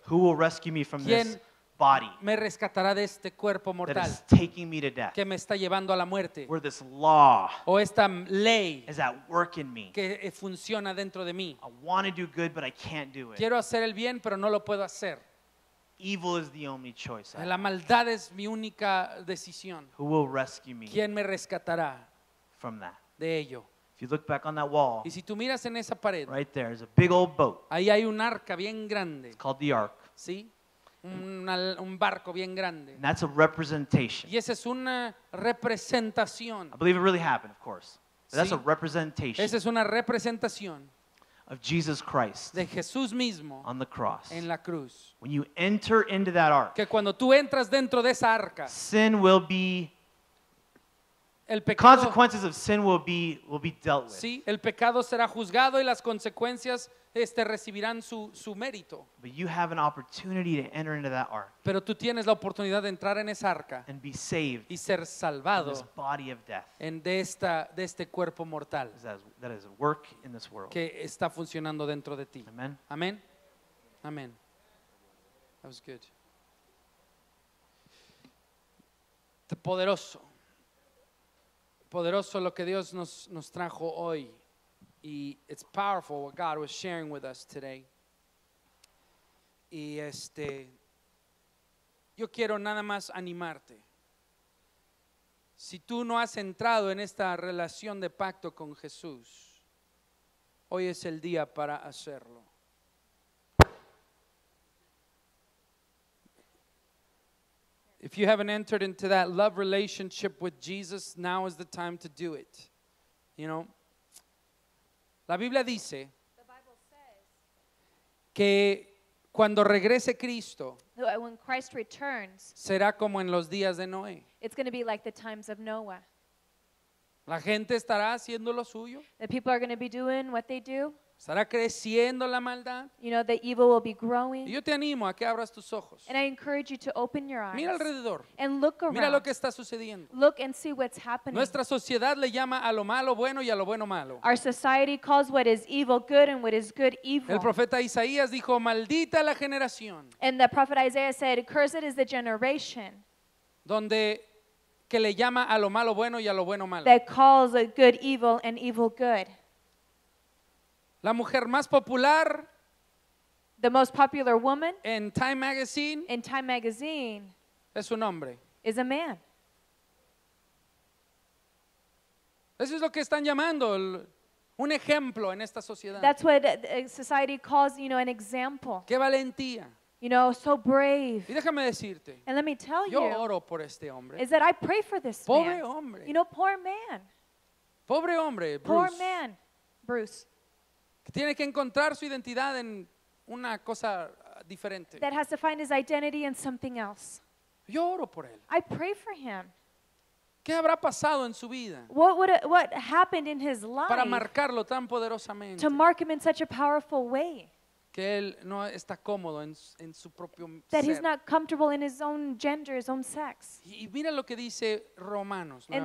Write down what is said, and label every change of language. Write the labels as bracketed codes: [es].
[en] Who will rescue me from this? body. [es] Me rescatará de este cuerpo mortal. [en] That is taking me to death. [es] Que me está llevando a la muerte. [en] Where this law. [es] O esta ley. [en] Is at work in me. [es] Que funciona dentro de mí. [en] I want to do good, but I can't do it. [es] Quiero hacer el bien, pero no lo puedo hacer. [en] Evil is the only choice. [es] La maldad es mi única decisión. [en] Who will rescue me? [es] ¿Quién me rescatará? [en] From that. [es] De ello. [en] If you look back on that wall. [es] Y si tú miras en esa pared. [en] Right there is a big old boat. [es] Ahí hay un arca bien grande. [en] It's called the ark. [es] Sí. Un barco bien grande. [en] And that's a representation. [es] Y esa es una representación. [en] I believe it really happened, of course. But That's a representation. [es] Esa es una representación. [en] Of Jesus Christ, [es] de Jesús mismo, [en] on the cross, [es] en la cruz. [en] When you enter into that ark, [es] que cuando tú entras dentro de esa arca, [en] sin will be, [es] el pecado, [en] consequences of sin will be dealt with. [es] Sí, el pecado será juzgado y las consecuencias recibirán su mérito. [en] But you have an opportunity to enter into that ark, [es] pero tú tienes la oportunidad de entrar en esa arca, [en] and be saved, [es] y ser salvado, [en] in this body of death, [es] en de este cuerpo mortal, [en] that is at work in this world, [es] que está funcionando dentro de ti. [en] Amen. Amen. Amen. That was good. [es] Poderoso. Poderoso lo que Dios nos trajo hoy. [en] Y it's powerful what God was sharing with us today. [es] Y yo quiero nada más animarte. Si tú no has entrado en esta relación de pacto con Jesús, hoy es el día para hacerlo. [en] If you haven't entered into that love relationship with Jesus, now is the time to do it. You know? [es] La Biblia dice que cuando regrese Cristo, [en] when Christ returns, [es] será como en los días de Noé. [en] It's going to be like the times of Noah. [es] La gente estará haciendo lo suyo. [en] The people are going to be doing what they do. [es] Estará creciendo la maldad. [en] You know, the evil will be growing. [es] Y yo te animo a que abras tus ojos. [en] And I encourage you to open your eyes. [es] Mira alrededor. [en] And look around. [es] Mira lo que está sucediendo. [en] Look and see what's happening. [es] Nuestra sociedad le llama a lo malo bueno y a lo bueno malo. [en] Our society calls what is evil good and what is good evil. [es] El profeta Isaías dijo, maldita la generación. [en] And the prophet Isaiah said, cursed is the generation. [es] Donde que le llama a lo malo bueno y a lo bueno malo. [en] That calls a good evil and evil good. [es] La mujer más popular, [en] the most popular woman, [es] en Time Magazine, [en] in Time Magazine, [es] es un hombre, [en] is a man. [es] Eso es lo que están llamando un ejemplo en esta sociedad. [en] That's what society calls, you know, an example. [es] Qué valentía. [en] You know, so brave. [es] Y déjame decirte, [en] and let me tell [es] yo [en] you, [es] oro por este hombre. [en] Is that I pray for this [es] pobre [en] man. [es] Hombre. [en] You know, poor man. [es] Pobre hombre, [en] poor Bruce. Man, Bruce. [es] Que tiene que encontrar su identidad en una cosa diferente. [en] That has to find his identity in something else. [es] Yo oro por él. [en] I pray for him. [es] ¿Qué habrá pasado en su vida? [en] What happened in his life? [es] Para marcarlo tan poderosamente. [en] To mark him in such a powerful way. [es] Que él no está cómodo en su propio [en] that [es] ser. [en] That he's not comfortable in his own gender, his own sex. [es] Y mira lo que dice Romanos nuevamente.